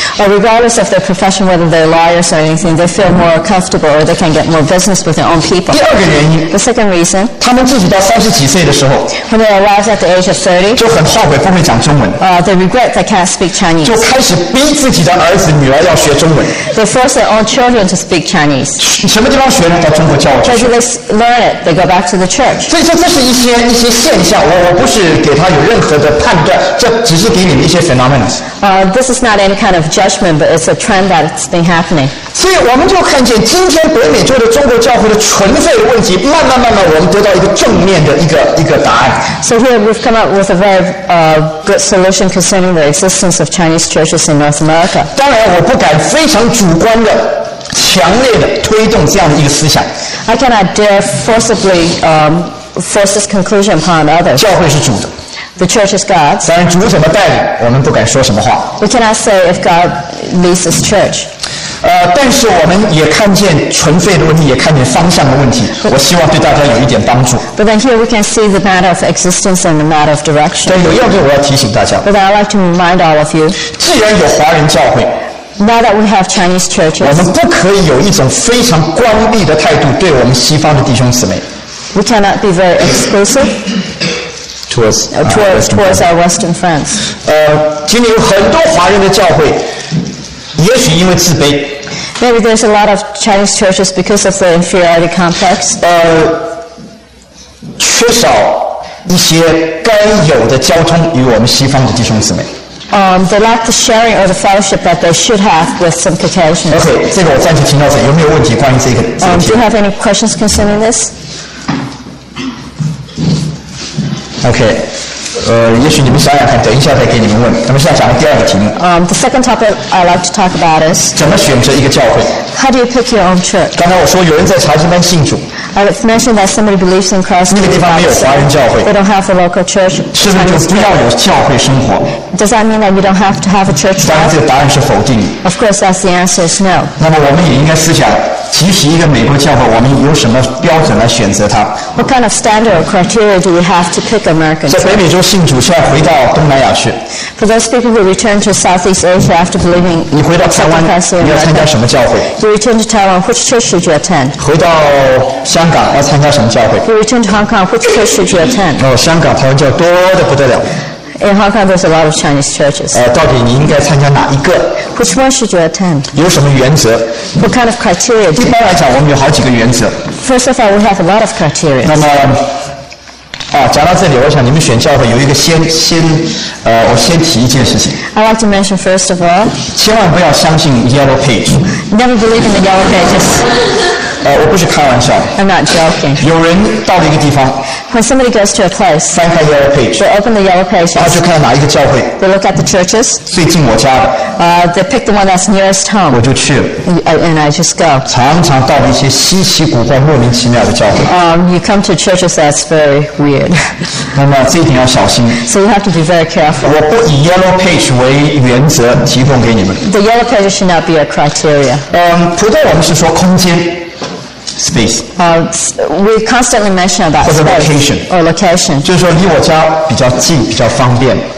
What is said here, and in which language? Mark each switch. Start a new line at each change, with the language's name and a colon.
English: Regardless of their profession, whether they're lawyers or anything, they feel more comfortable or they can get more business with their own people.
Chinese: 第二个原因。
English: The second reason.
Chinese: 他们自己到30几岁的时候。
English: When they arrive at the age of 30.
Chinese: 就很后悔不会讲中文。
English: They regret they can't speak Chinese.
Chinese: 就开始逼自己的儿子女儿要学中文。
English: They force their own children to speak Chinese.
Chinese: 什么地方学呢？到中国教。
English: Where do they learn it? They go back to the church.
Chinese: 所以这是一些现象，我不是给他有任何的判断，这只是给你们一些 phenomena.
English: This is not any kind of judgment, but it's a trend that's been happening.
Chinese: 所以我们就看见今天北美洲的中国教会的存废问题，慢慢我们得到一个正面的一个答案。
English: So here we've come up with a very good solution concerning the existence of Chinese churches in North America.
Chinese: 当然，我不敢非常主观的。强烈的推动这样的一个思想。
English: I cannot dare forcibly force this conclusion upon others.
Chinese: 教会是主的。
English: The church is God's.
Chinese: 当然，主怎么带领，我们不敢说什么话。
English: We cannot say if God leads this church.
Chinese: 但是我们也看见纯粹的问题，也看见方向的问题。我希望对大家有一点帮助。
English: But then here we can see the matter of existence and the matter of direction.
Chinese: 但有一个我要提醒大家。
English: But I'd like to remind all of you.
Chinese: 既然有华人教会。
English: Now that we have Chinese churches,
Chinese: 我们不可以有一种非常关闭的态度对我们西方的弟兄姊妹。
English: We cannot be very exclusive towards our Western friends.
Chinese: 今天有很多华人的教会，也许因为自卑。
English: Maybe there's a lot of Chinese churches because of the inferiority complex.
Chinese: 缺少一些该有的交通与我们西方的弟兄姊妹。
English: They lack the sharing or the fellowship that they should have with some Caucasians.
Chinese: Okay, 这个我暂时停到这里。有没有问题关于这个？
English: Do you have any questions concerning this?
Chinese: Okay, 也许你们想想看，等一下再给你们问。那么现在讲第二个题目。
English: The second topic I'd like to talk about is
Chinese: 怎么选择一个教会。
English: How do you pick your own church?
Chinese: 刚才我说有人在查经班信主。
English: I've mentioned that somebody believes in Christ.
Chinese: 那个地方没有华人教会。
English: They don't have a local church.
Chinese: 是不是就不要有教会生活？
English: Does that mean that you don't have to have a church?
Chinese: 当然，这个答案是否定。
English: Of course, that's the answer is no.
Chinese: 那么我们也应该思想，即使一个美国教会，我们有什么标准来选择它
English: ？What kind of standard or criteria do we have to pick American?
Chinese: 在北美洲信主，现在回到东南亚去。
English: For those people who return to Southeast Asia after believing,
Chinese: 你回到台湾，你要参加什么教会
English: ？You return to Taiwan, which church should you attend?
Chinese: 回到香港要参加什么教会
English: ？You return to Hong Kong, which church should you attend?
Chinese: 哦，香港、台湾教多的不得了。
English: In Hong Kong, there's a lot of Chinese churches.
Chinese: 到底你应该参加哪一个
English: ？Which one should you attend?
Chinese: 有什么原则
English: ？What kind of criteria?
Chinese: 一般来讲，我们有好几个原则。
English: First of all, we have a lot of criteria.
Chinese: 那么，讲到这里，我想你们选教会有一个我先提一件事情。
English: I'd like to mention first of all.
Chinese: 千万不要相信 Yellow Page.
English: Never believe in the Yellow Pages.
Chinese: 我不是开玩笑。
English: I'm not joking.
Chinese: 有人到了一个地方。
English: When somebody goes to a place,
Chinese: 翻开 yellow page,
English: they open the yellow pages.
Chinese: 他就看到哪一个教会。
English: They look at the churches.
Chinese: 最近我家的。
English: They pick the one that's nearest home.
Chinese: 我就去了。
English: And I just go.
Chinese: 常常到了一些稀奇古怪、莫名其妙的教会。
English: You come to churches that's very weird.
Chinese: 那么这一点要小心。
English: So you have to be very careful.
Chinese: 我不以 yellow page 为原则提供给你们。
English: The yellow page should not be a criteria.
Chinese: 普通我们是说空间。Space.
English: We constantly mention about space.
Chinese: 或者 location.
English: Or location.
Chinese: 就是说离我家比较近，比较方便。